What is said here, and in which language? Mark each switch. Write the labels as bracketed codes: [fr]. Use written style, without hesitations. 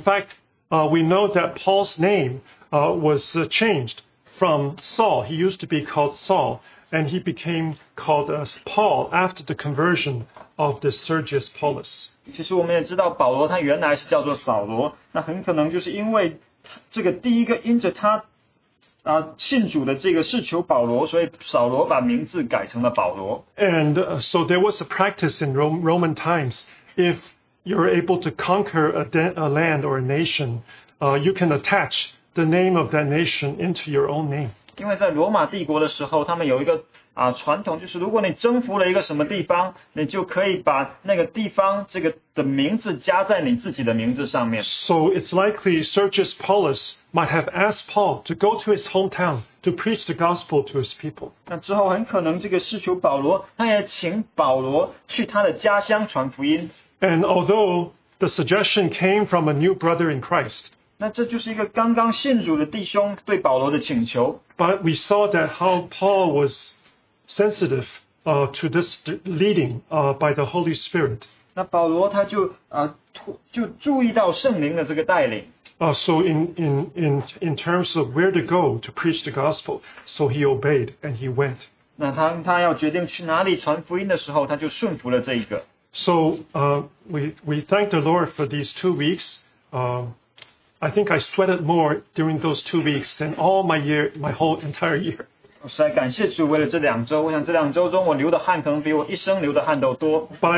[en] fact, we know that Paul's name was changed from Saul. He used to be called Saul. And he became called as Paul after the conversion of this Sergius Paulus. [zh] 其实我们也知道保罗他原来是叫做扫罗，那很可能就是因为这个第一个因着他信主的这个士囚保罗，所以扫罗把名字改成了保罗。 [en] And so there was a practice in Roman times, if you're able to conquer a land or a nation, you can attach the name of that nation into your own name. [zh] 因为在罗马帝国的时候，他们有一个啊传统，就是如果你征服了一个什么地方，你就可以把那个地方这个的名字加在你自己的名字上面。 [en] So it's likely Sergius Paulus might have asked Paul to go to his hometown to preach the gospel to his people. [zh] 那之后很可能这个使徒保罗，他也请保罗去他的家乡传福音。 [en] And although the suggestion came from a new brother in Christ. [zh] 那这就是一个刚刚信主的弟兄对保罗的请求。 [en] But we saw that how Paul was sensitive to this leading by the Holy Spirit. [zh] 那保罗他就就注意到圣灵的这个带领。 [en] So in terms of where to go to preach the gospel, so he obeyed and he went. [zh] 那他要决定去哪里传福音的时候，他就顺服了这一个。 [en] So we thank the Lord for these 2 weeks. I think I sweated more during those 2 weeks than all my whole entire year. [zh] 实在感谢主，为了这两周，我想这两周中我流的汗可能比我一生流的汗都多。